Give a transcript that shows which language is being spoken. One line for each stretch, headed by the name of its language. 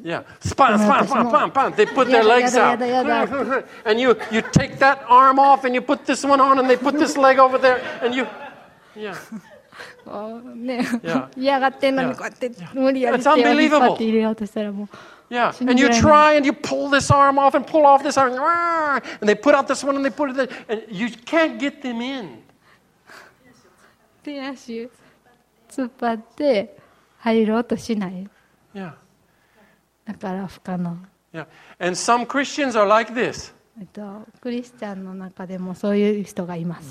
English: Yeah, spam, spam, spam, spam, spam. They put their legs out. And you take that arm off and you put this one on and they put this leg over there and you, yeah.
Japanese: ね、嫌がってんのにこうやって無理やり手を引っ張って入れようとしたらもう。
English: Yeah, and you try and you pull this arm off and pull off this arm and they put out this one and they put it there and you can't get them in.
Japanese: 手足突っ張って入ろうとしない。
English: Yeah.
Japanese: だから不可能。
English: Yeah. And some Christians are like this.
Japanese: クリスチャンの中でもそういう人がいます。